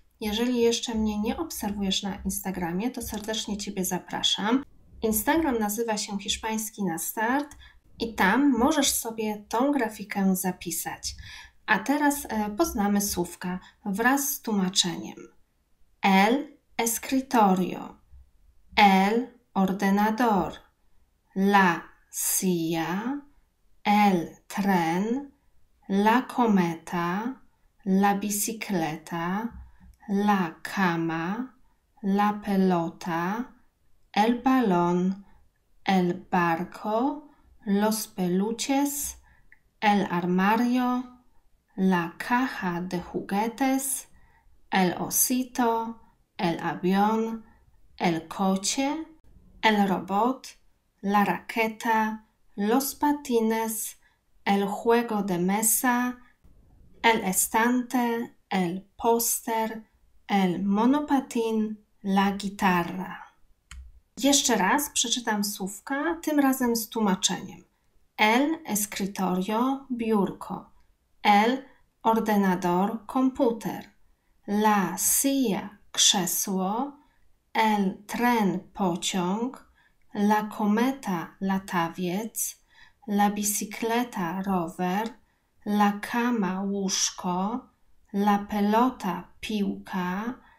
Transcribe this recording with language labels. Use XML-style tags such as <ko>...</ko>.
<pl>Jeżeli jeszcze mnie nie obserwujesz na Instagramie, to serdecznie Ciebie zapraszam. Instagram nazywa się Hiszpański na Start i tam możesz sobie tą grafikę zapisać. A teraz poznamy słówka wraz z tłumaczeniem.</pl> <es>El escritorio, el ordenador, la silla, el tren, la cometa, la bicicleta, la cama, la pelota, el balón, el barco, los peluches, el armario, la caja de juguetes, el osito, el avión, el coche, el robot, la raqueta, los patines, el juego de mesa, el estante, el póster, el monopatín, la guitarra.</es> <pl>Jeszcze raz przeczytam słówka, tym razem z tłumaczeniem.</pl> <es>El escritorio, biurko. El ordenador, komputer. La silla, krzesło, el tren, pociąg, la cometa, latawiec, la bicicleta, rower, la cama, łóżko, la pelota, piłka,</es>